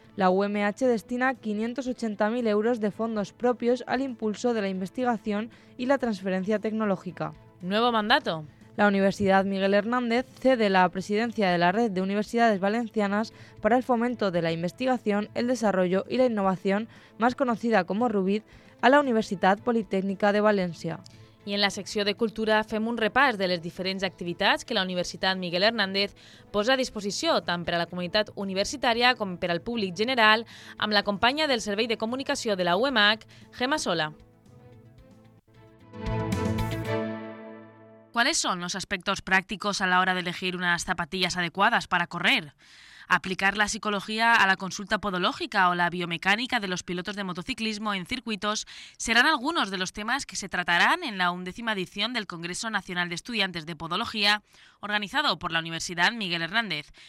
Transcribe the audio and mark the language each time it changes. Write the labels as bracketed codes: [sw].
[es] La UMH destina 580.000 euros de fondos propios al impulso de la investigación y la transferencia tecnológica. Nuevo mandato. La Universidad Miguel Hernández cede la presidencia de la Red de Universidades Valencianas para el fomento de la investigación, el desarrollo y la innovación, más conocida como RUBID, a la Universitat Politécnica de València. [ca] I en la secció de Cultura fem un repàs de les diferents activitats que la Universitat Miguel Hernández posa a disposició tant per a la comunitat universitària com per al públic general amb la companya del Servei de Comunicació de la UMH, Gemma Sola. [es] ¿Cuáles son los aspectos prácticos a la hora de elegir unas zapatillas adecuadas para correr? ¿Aplicar la psicología a la consulta podológica o la biomecánica de los pilotos de motociclismo en circuitos serán algunos de los temas que se tratarán en la undécima edición del Congreso Nacional de Estudiantes de Podología, organizado por la Universidad Miguel Hernández.